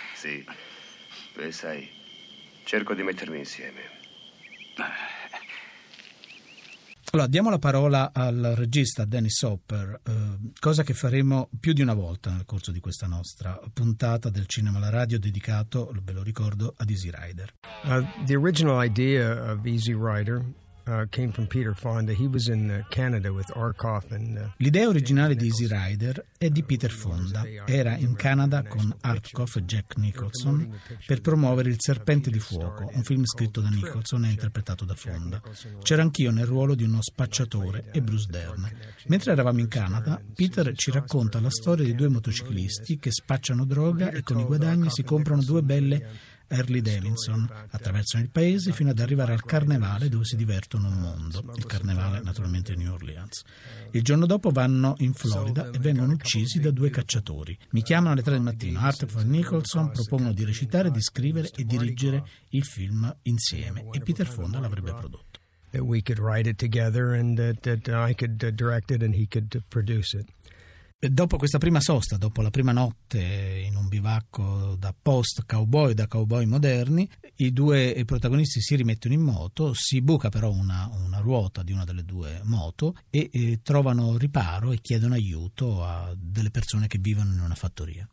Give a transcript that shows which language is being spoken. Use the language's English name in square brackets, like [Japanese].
[Italian] Sì. Beh, sai, cerco di mettermi insieme. Allora, diamo la parola al regista Dennis Hopper, cosa che faremo più di una volta nel corso di questa nostra puntata del Cinema alla Radio dedicato, ve lo ricordo, ad Easy Rider. [English] The original idea of Easy Rider came from Peter Fonda. He was in Canada with R. Kaufman. [Italian] L'idea originale di Easy Rider è di Peter Fonda. Era in Canada con Art Koff e Jack Nicholson per promuovere Il Serpente di Fuoco, un film scritto da Nicholson e interpretato da Fonda. C'ero anch'io nel ruolo di uno spacciatore e Bruce Dern. Mentre eravamo in Canada, Peter ci racconta la storia di due motociclisti che spacciano droga e con i guadagni si comprano due belle Harley Davidson, attraversano il paese fino ad arrivare al carnevale dove si divertono un mondo, il carnevale naturalmente New Orleans. Il giorno dopo vanno in Florida e vengono uccisi da due cacciatori. Mi chiamano alle 3 del mattino, Art Koff e Nicholson propongono di recitare, di scrivere e dirigere il film insieme e Peter Fonda l'avrebbe prodotto. [English] That we could write it together and that I could direct it and he could produce it. [Italian] Dopo questa prima sosta, dopo la prima notte in un bivacco da post-cowboy, da cowboy moderni, i due protagonisti si rimettono in moto, si buca però una ruota di una delle due moto e trovano riparo e chiedono aiuto a delle persone che vivono in una fattoria.